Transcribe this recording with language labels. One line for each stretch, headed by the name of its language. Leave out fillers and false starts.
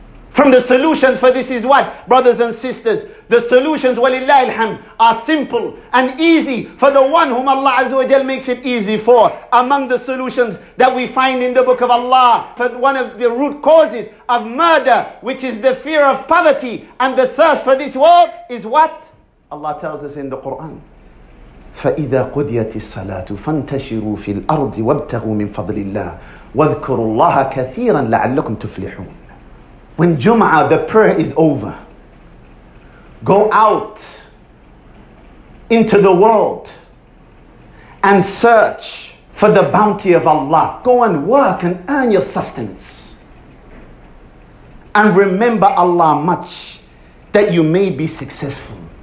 English: From the solutions for this is what, brothers and sisters, the solutions, walillahi alhamd, are simple and easy for the one whom Allah Azza wa Jal makes it easy for. Among the solutions that we find in the book of Allah, for one of the root causes of murder, which is the fear of poverty and the thirst for this world, is what?
Arabic: Allah tells us in the Quran, فَإِذَا قُدِيَتِ الصَّلَاةُ فَانْتَشِرُوا فِي الْأَرْضِ وَابْتَغُوا مِنْ فَضْلِ اللَّهِ وَاذْكُرُوا اللَّهَ كَثِيرًا لَعَلَّكُمْ تُفْلِحُونَ.
English: When Jum'ah, the prayer is over, go out into the world and search for the bounty of Allah. Go and work and earn your sustenance. And remember Allah much, that you may be successful.